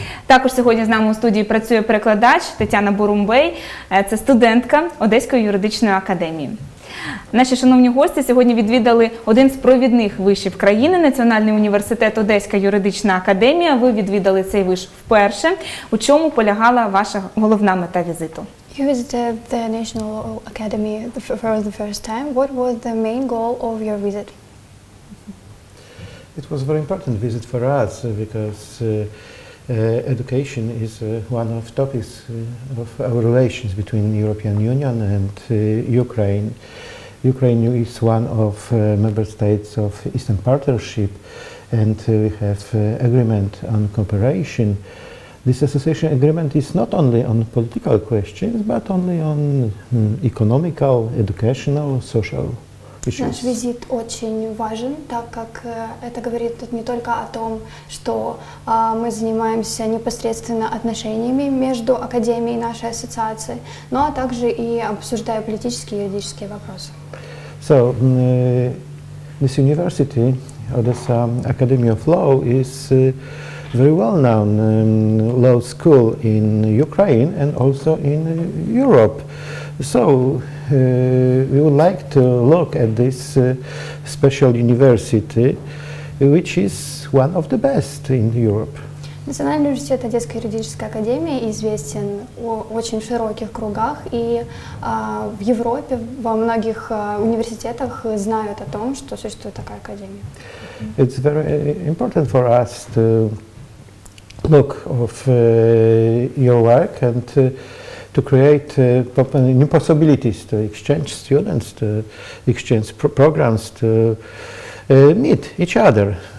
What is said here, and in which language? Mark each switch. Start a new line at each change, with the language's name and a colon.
Ukrainian: Також сьогодні з нами у студії працює перекладач Тетяна Бурумбей. Це студентка Одеської юридичної академії. Наші шановні гості сьогодні відвідали один з провідних вишів країни – Національний університет Одеська юридична академія. Ви відвідали цей виш вперше. У чому полягала ваша головна мета візиту?
English: You visited the National Academy for the first time. What was the main goal of your visit? It was a very important visit for us, because education is one of topics of our relations between the European Union and Ukraine. Ukraine is one of member states of Eastern Partnership, and we have agreement on cooperation. This association agreement is not only on political questions, but only on economical, educational, social issues.
Russian: Наш визит очень важен, так как это говорит не только о том, что мы занимаемся непосредственно отношениями между Академией и нашей ассоциацией, но также и обсуждая политические и юридические вопросы.
English: So, this university, Odessa Academy of Law, is a very well-known law school in Ukraine and also in Europe. So, we would like to look at this special university, which is one of the best in Europe.
Russian: Национальный университет Одесской юридической академии известен в очень широких кругах, и в Европе во многих университетах знают о том, что существует такая академия.
English: It's very important for us to look of your work and to create new possibilities to exchange students, to exchange programs, to meet each other.